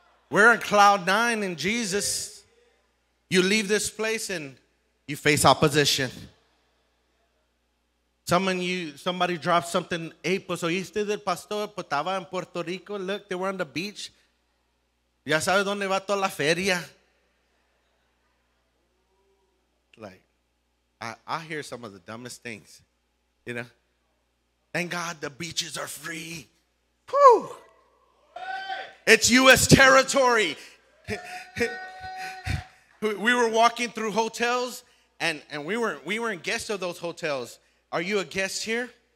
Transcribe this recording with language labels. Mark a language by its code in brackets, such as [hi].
[en] We're on cloud 9 in Jesus. You leave this place and you face opposition. Somebody dropped something. [es] Hey, pues oíste del pastor, pues estaba en Puerto Rico. [en] Look, they were on the beach. [es] Ya sabes dónde va toda la feria. [en] Like, I hear some of the dumbest things, you know. Thank God the beaches are free. Whew. It's U.S. territory. We were walking through hotels, and we were in guests of those hotels. Are you a guest here?